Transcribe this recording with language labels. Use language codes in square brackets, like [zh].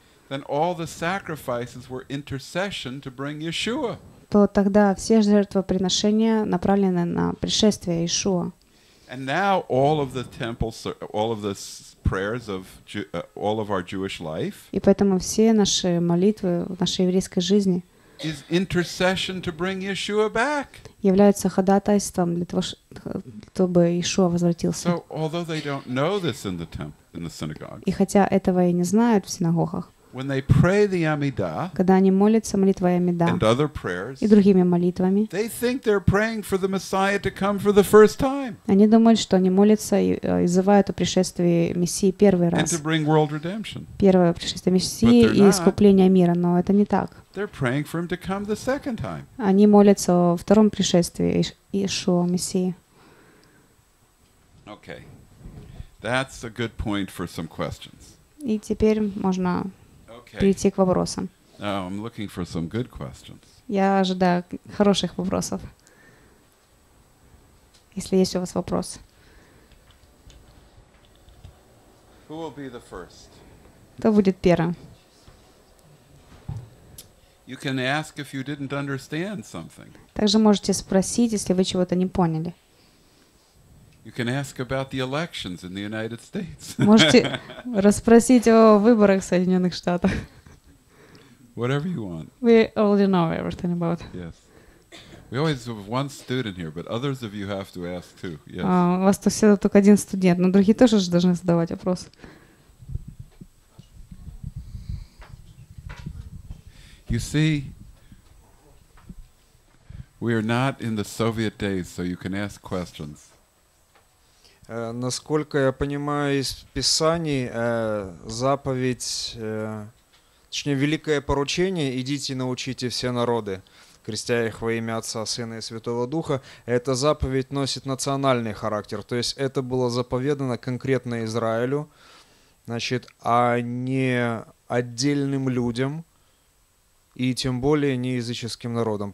[en] Then all the sacrifices were intercession to bring Yeshua. [ru] То тогда все жертвоприношения направлены на пришествие Иешуа. [en] And now all of the temples, all of the prayers of all of our Jewish life. [ru] И поэтому все наши молитвы в нашей еврейской жизни. [en] Is intercession to bring Yeshua back. [ru] Является ходатайством для того, чтобы Иешуа возвратился. [en] So although they don't know this in the temple. In the synagogue. [ru] И хотя этого и не знают в синагогах. [en] When they pray the Amidah, [ru] когда они молятся молитвой Амида [en] and other prayers, [ru] и другими молитвами, [en] they think they're praying for the Messiah to come for the first time. [ru] Они думают, что они молятся и зовут о пришествии Мессии первый раз. [en] And to bring world redemption. [ru] Первое пришествие Мессии и искупление мира, но это не так. [en] They're praying for him to come the second time. [ru] Они молятся о втором пришествии Иешуа Мессии. [en] Okay. That's a good point for some questions. [ru] И теперь можно перейти к вопросам. [en] Oh, I'm looking for some good questions. [ru] Я ожидаю хороших вопросов. Если есть у вас вопрос. [en] Who will be the first? [ru] Кто будет первым? [en] You can ask if you didn't understand something. [ru] Также можете спросить, если вы чего-то не поняли. [en] You can ask about the elections in the United States. [ru] Можете расспросить о выборах в Соединенных Штатах. [en] Whatever you want. We already know everything about. Yes. We always have one student here, but others of you have to ask too. Yes. [ru] У вас тут всегда только один студент, но другие тоже же должны задавать вопрос. [en] You see, we are not in the Soviet days, so you can ask questions. [ru] Насколько я понимаю из Писаний, заповедь, точнее, великое поручение «Идите и научите все народы, крестя их во имя Отца, Сына и Святого Духа», эта заповедь носит национальный характер, то есть это было заповедано конкретно Израилю, значит, а не отдельным людям и тем более не языческим народам.